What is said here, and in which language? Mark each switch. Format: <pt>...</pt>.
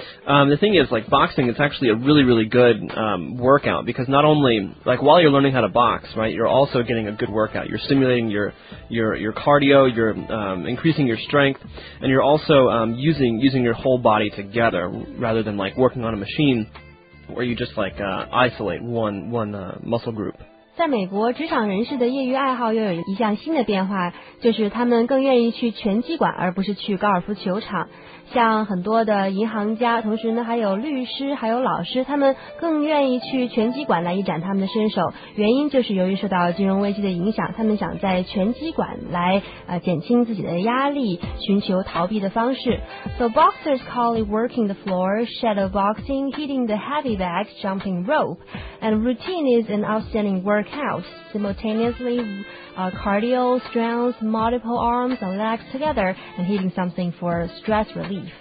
<en>The thing is, like, boxing, it's actually a really, really good workout, because not only, like, while you're learning how to box, right, you're also getting a good workout. You're stimulating your cardio, you're increasing your strength, and you're also using your whole body together rather than, like, working on a machine where you just, like, isolate one muscle group.</en> <zh>在美国，职场人士的业余爱好又有一项新的变化，就是他们更愿意去拳击馆而不是去高尔夫球场。像很多的银行家，同时呢还有律师，还有老师，他们更愿意去拳击馆来一展他们的身手。原因就是由于受到金融危机的影响，他们想在拳击馆来减轻自己的压力，寻求逃避的方式。</zh> <en>So boxers call it working the floor, shadow boxing, hitting the heavy bags, jumping rope, and routine is an outstanding workout. Simultaneously, cardio, strength, multiple arms and legs together, and hitting something for stress relief.</en>